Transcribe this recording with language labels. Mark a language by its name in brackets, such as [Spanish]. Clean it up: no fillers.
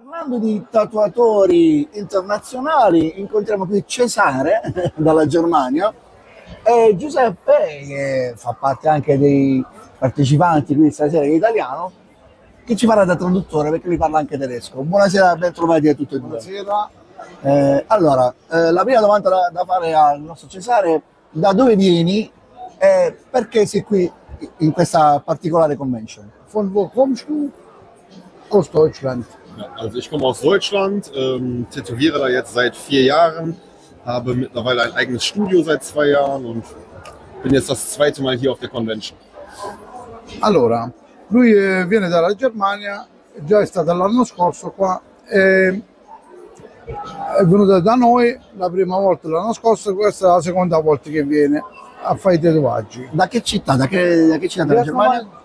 [Italian] Di tatuatori internazionali, incontriamo qui Cesare dalla Germania e Giuseppe, che fa parte anche dei partecipanti qui stasera in italiano, che ci parla da traduttore perché lui parla anche tedesco. Buonasera, bentrovati a tutti e due. Buonasera. La prima domanda da fare al nostro Cesare: da dove vieni e perché sei qui in questa particolare convention? [German] Von wo kommst du? Aus Deutschland. Also ich komme aus Deutschland, tätowiere da jetzt seit 4 Jahren, habe mittlerweile ein eigenes Studio seit 2 Jahren und bin jetzt das zweite Mal hier auf der Convention. [Italian] Allora, lui viene dalla Germania, già è stato l'anno scorso qua, è venuto da noi la prima volta l'anno scorso, questa è la seconda volta che viene a fare i tatuaggi. Da che città? Da che città della Germania?